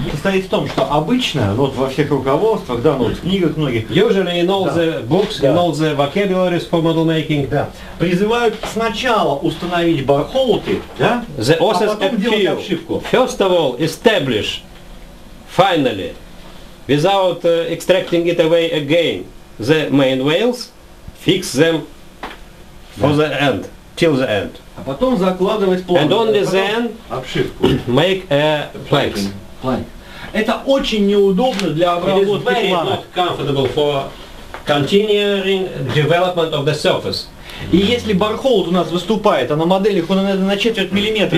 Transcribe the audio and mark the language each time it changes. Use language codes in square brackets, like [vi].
[ru] Состоит в том, что обычно, вот во всех руководствах, да, вот в книгах многих. [en] Usually in all the books, in all the vocabularies for model making, [ru] да. Призывают сначала установить бархолты, да? [en] The authors appeal. First of all, establish finally, without extracting it away again, the main whales, fix them for the end, till the end. [ru] А потом закладывать планку. [en] And only then [ru] обшивку. [en] Make a planks. Plank. [ru] Это очень неудобно для обработки [en] планок. It is very not comfortable for continuing development of the surface. [ru] И если бархолт у нас выступает, а на моделях он, наверное, на четверть миллиметра